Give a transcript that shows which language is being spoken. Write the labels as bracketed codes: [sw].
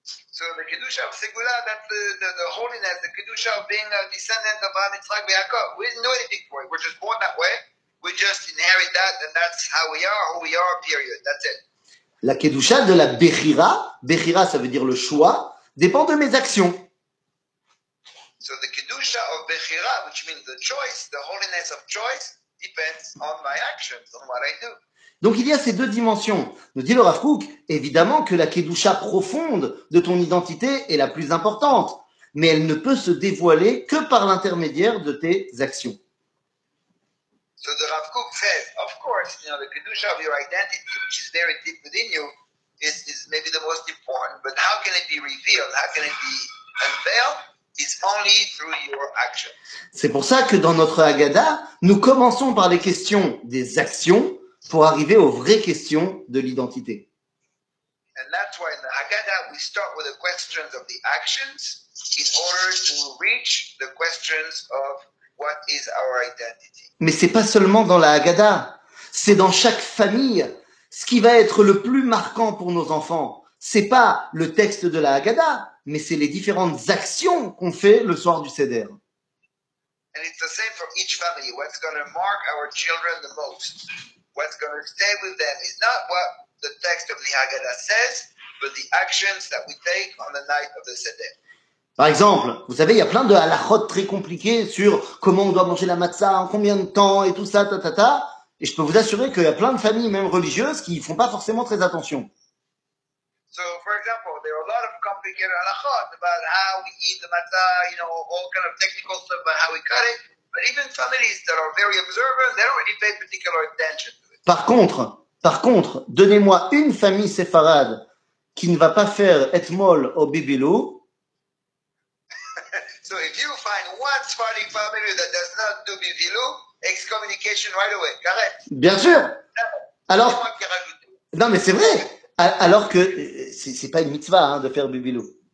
[en] So the Kedusha of Segula, that's the holiness, the Kedusha of being a descendant of Abraham, Yitzhak, Yaakov. We didn't know anything for it. We're just born that way. We just inherit that, and that's how we are, who we are, period. That's it. [fr] La Kedusha de la Bechira, Bechira, ça veut dire le choix, dépend de mes actions. [en] So the Kedusha of Bechira, which means the choice, the holiness of choice, depends on my actions, on what I do. [fr] Donc il y a ces deux dimensions. Nous dit le Rav Kook, évidemment que la Kedusha profonde de ton identité est la plus importante, mais elle ne peut se dévoiler que par l'intermédiaire de tes actions. [en] So the Rav Kook says, of course, you know, the Kedusha of your identity, which is very deep within you, is maybe the most important, but how can it be revealed? How can it be unveiled? It's only through your actions. [fr] C'est pour ça que dans notre Haggadah, nous commençons par les questions des actions, pour arriver aux vraies questions de l'identité. [en] And that's why in the Haggadah we start with the questions of the actions in order to reach the questions of what is our identity. [fr] Mais c'est pas seulement dans la Haggadah, c'est dans chaque famille. Ce qui va être le plus marquant pour nos enfants, c'est pas le texte de la Haggadah, mais c'est les différentes actions qu'on fait le soir du Seder. [en] And it's the same for each family. What's going to mark our children the most? What's going to stay with them is not what the text of the Haggadah says, but the actions that we take on the night of the Seder. [fr] Par exemple, vous savez, il y a plein de halachot très compliqués sur comment on doit manger la matzah, en combien de temps, et tout ça, ta ta ta. Et je peux vous assurer qu'il y a plein de familles, même religieuses, qui ne font pas forcément très attention. [en] So, for example, there are a lot of complicated halachot about how we eat the matzah, you know, all kind of technical stuff about how we cut it. But even families that are very observant, they don't really pay particular attention to it. [fr] Par contre, donnez-moi une famille séfarade qui ne va pas faire etmol au bibilou. [en] So if you find one Sephardi family that does not do bibilou, excommunication right away, correct? [fr] Bien sûr. Alors, non mais c'est vrai. Alors que c'est pas une mitzvah hein, de faire bibilou.